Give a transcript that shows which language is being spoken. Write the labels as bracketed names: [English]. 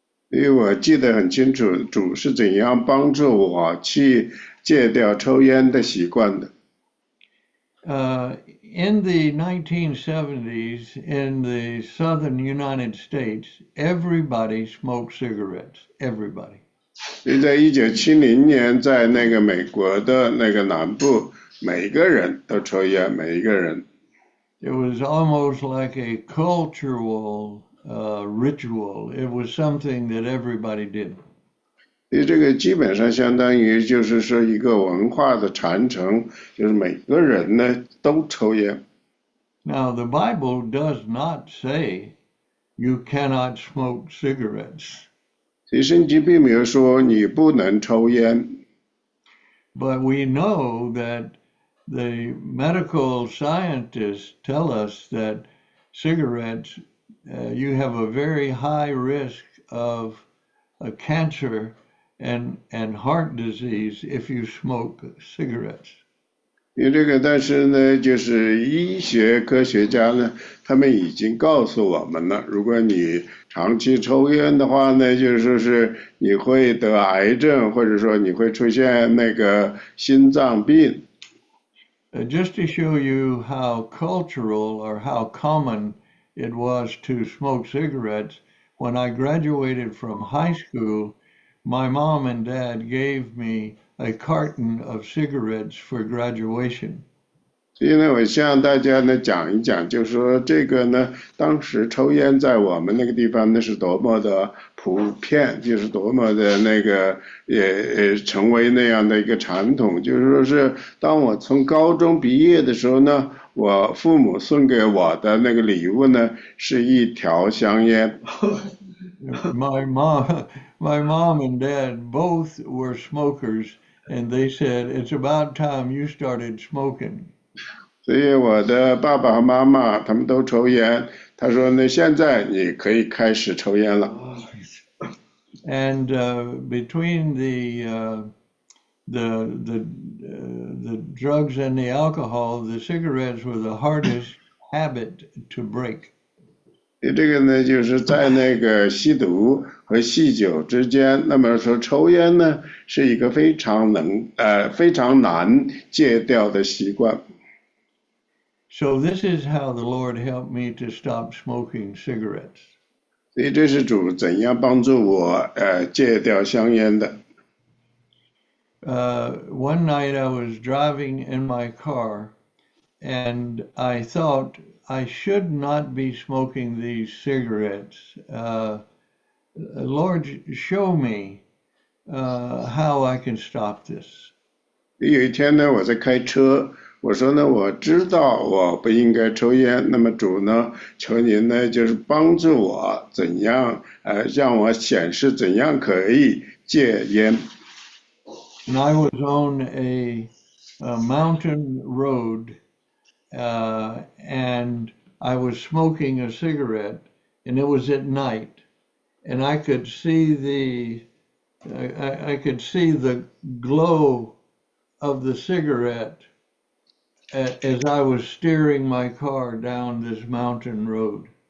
[Chinese] 因为我记得很清楚，主是怎样帮助我去戒掉抽烟的习惯的。 [English] In the 1970s, in the southern United States, everybody smoked cigarettes. Everybody. [Chinese] 因为在1970年，在那个美国的那个南部，每个人都抽烟，每一个人。 [English] It was almost like a cultural ritual. It was something that everybody did. [Chinese] 所以这个基本上相当于就是说一个文化的传承，就是每个人呢都抽烟。 [English] Now, the Bible does not say you cannot smoke cigarettes. [Chinese] 其实圣经并没有说你不能抽烟。 [English] But we know that the medical scientists tell us that cigarettes, you have a very high risk of a cancer and heart disease if you smoke cigarettes. [Chinese] 你这个，但是呢，就是医学科学家呢，他们已经告诉我们了，如果你长期抽烟的话呢，就是说是你会得癌症，或者说你会出现那个心脏病。 [English] Just to show you how cultural or how common it was to smoke cigarettes, when I graduated from high school, my mom and dad gave me a carton of cigarettes for graduation. [Chinese] 所以呢，我向大家呢讲一讲，就是说这个呢，当时抽烟在我们那个地方那是多么的普遍，就是多么的那个成为那样的一个传统。就是说是当我从高中毕业的时候呢，我父母送给我的那个礼物呢是一条香烟。 [English] My mom and dad both were smokers, and they said, "It's about time you started smoking." [Chinese] 所以我的爸爸和妈妈他们都抽烟，他说呢，现在你可以开始抽烟了。 [English] And between the drugs and the alcohol, the cigarettes were the hardest habit to break. [Chinese] 你这个呢，就是在那个吸毒和酗酒之间，那么说抽烟呢，是一个非常难戒掉的习惯。 [English] So this is how the Lord helped me to stop smoking cigarettes. [Chinese] 所以这是主怎样帮助我戒掉香烟的？ [English] One night I was driving in my car and I thought I should not be smoking these cigarettes. Lord, show me how I can stop this. [Chinese] 有一天呢，我在开车。我说呢，我知道我不应该抽烟。那么主呢，求您呢，就是帮助我怎样，让我显示怎样可以戒烟。 [English] And I was on a mountain road, and I was smoking a cigarette, and it was at night, and I could see the glow of the cigarette as I was steering my car down this mountain road.